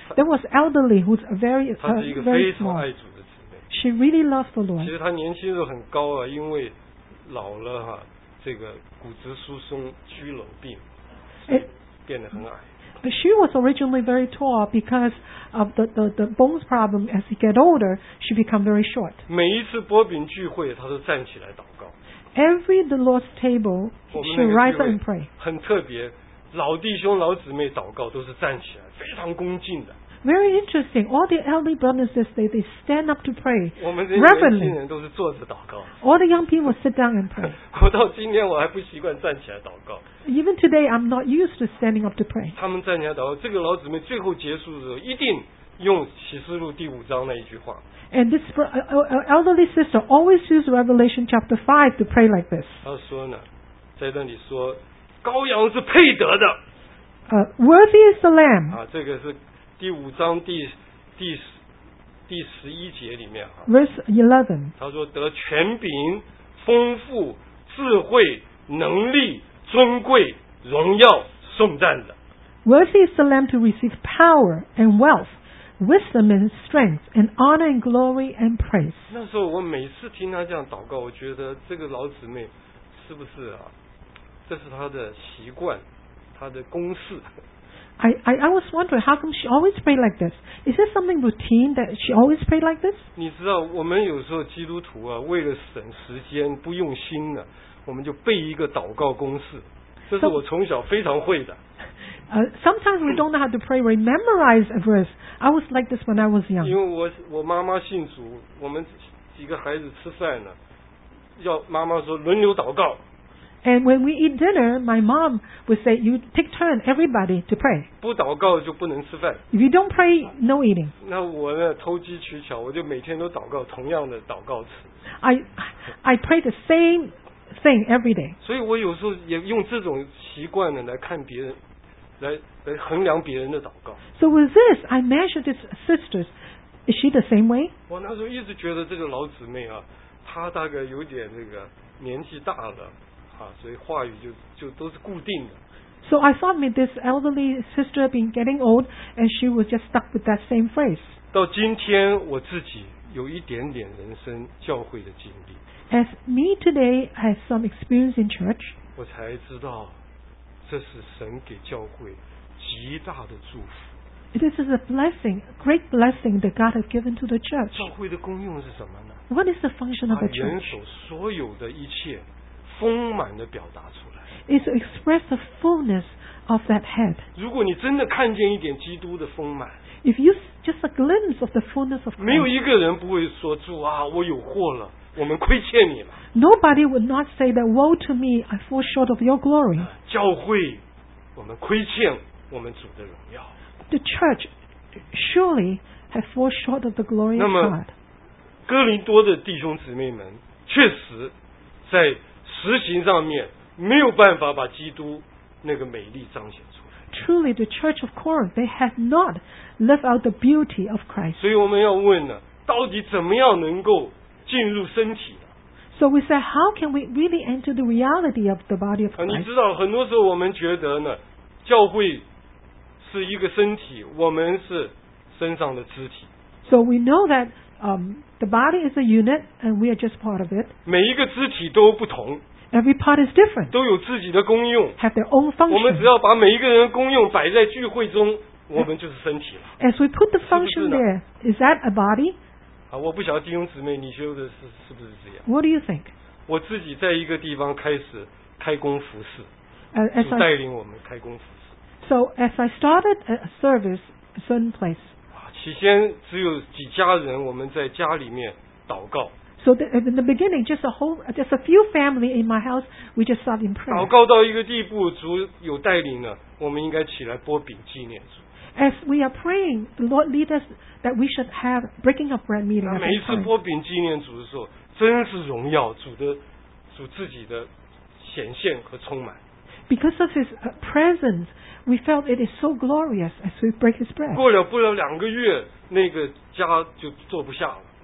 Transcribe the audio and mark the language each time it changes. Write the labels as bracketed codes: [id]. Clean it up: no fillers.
[en] There was elderly who's very small. She really loved the Lord. [zh] 其实她年轻时候很高啊，因为老了哈，这个骨质疏松、肌肉病，变得很矮。 [en] She was originally very tall because of the bones problem. As she get older, she become very short. [zh] 每一次薄饼聚会，她都站起来祷告。 [en] Every the Lord's table, she rise up and pray. [zh] 很特别。老弟兄老姊妹祷告都是站起来非常恭敬的。 [en] Very interesting. All the elderly brothers they stand up to pray. [zh] 我们这些年轻人都是坐着祷告。 [en] All the young people sit down and pray. [zh] 我到今天我还不习惯站起来祷告。 [en] Even today I'm not used to standing up to pray. [zh] 他们站起来祷告，这个老姊妹最后结束的时候一定用启示录第五章那一句话。 [en] And this elderly sister always used Revelation chapter 5 to pray like this. [zh] 她说呢，在那里说羔羊是配得的。 [en] Worthy is the lamb. [zh] 啊，这个是第五章第十一节里面哈。 [en] Verse 11. [zh] 他说得权柄、丰富、智慧、能力、尊贵、荣耀、颂赞的。 [en] Worthy is the lamb to receive power and wealth, wisdom and strength, and honor and glory and praise. [zh] 那时候我每次听他这样祷告，我觉得这个老姊妹是不是啊？这是他的习惯，他的公式。 [en] I was wondering how come she always pray like this. Is this something routine that she always pray like this? [zh] 你知道我们有时候基督徒啊，为了省时间不用心呢，我们就背一个祷告公式，这是我从小非常会的。 [en] Sometimes we don't know how to pray. We memorize a verse. I was like this when I was young. [zh] 因为我妈妈信主，我们几个孩子吃饭呢，要妈妈说轮流祷告。 [en] And when we eat dinner, my mom would say, "You take turn, everybody, to pray." [zh] 不祷告就不能吃饭。 [en] If you don't pray, no eating. [zh] 那我呢？偷机取巧，我就每天都祷告同样的祷告词。 [en] I pray the same thing every day. [zh] 所以我有时候也用这种习惯呢来看别人。来衡量别人的祷告。 [en] So with this, I measure this sisters. Is she the same way? [zh] 我那时候一直觉得这个老姊妹啊，她大概有点这个年纪大了，啊，所以话语就都是固定的。 [en] So I thought maybe this elderly sister been getting old, and she was just stuck with that same phrase. [zh] 到今天我自己有一点点人生教会的经历。 [en] As me today has some experience in church. [zh] 我才知道。这是神给教会极大的祝福。 [en] This is a blessing, a great blessing that God has given to the church. [zh] 教会的功用是什么呢？ [en] What is the function of the church? [zh] 把元首所有的一切丰满地表达出来。 [en] It's to express the fullness of that head. [zh] 如果你真的看见一点基督的丰满， [en] If you just a glimpse of the fullness of Christ, [zh] 没有一个人不会说主啊，我有祸了。我们亏欠你了。 [en] Nobody would not say that woe to me, I fall short of your glory. [zh] 教会，我们亏欠我们主的荣耀。 [en] The church surely has fall short of the glory of God. [zh] 那么，哥林多的弟兄姊妹们确实在实行上面没有办法把基督那个美丽彰显出来。 [en] Truly, the church of Corinth, they had not lived out the beauty of Christ. [zh] 所以我们要问呢，到底怎么样能够？进入身体。 [en] So we say, how can we really enter the reality of the body of Christ? [zh] 你知道，很多时候我们觉得呢，教会是一个身体，我们是身上的肢体。 [en] So we know that the body is a unit and we are just part of it. [zh] 每一个肢体都不同。 [en] Every part is different. [zh] 都有自己的功用。 [en] Have their own function. [zh] 我们只要把每一个人的功用摆在聚会中，我们就是身体了。 [en] As we put the function there, is that a body? [zh] 啊，我不晓得弟兄姊妹，你觉得是不是这样 [en] ？What do you think？ [zh] 我自己在一个地方开始开工服事，主带领我们开工服事。 [en] So as I started a service, a certain place. [zh] 起先只有几家人，我们在家里面祷告。 [en] So in the beginning, just a few family in my house, we just started in prayer. [zh] 祷告到一个地步，主有带领了，我们应该起来拨饼纪念主。 [en] As we are praying, the Lord lead us that we should have breaking of bread meeting. [zh] 每一次拨饼纪念主的时候，真是荣耀主自己的显现和充满。 [en] Because of His presence, we felt it is so glorious as we break His bread. [zh] 过了不了两个月，那个家就坐不下了。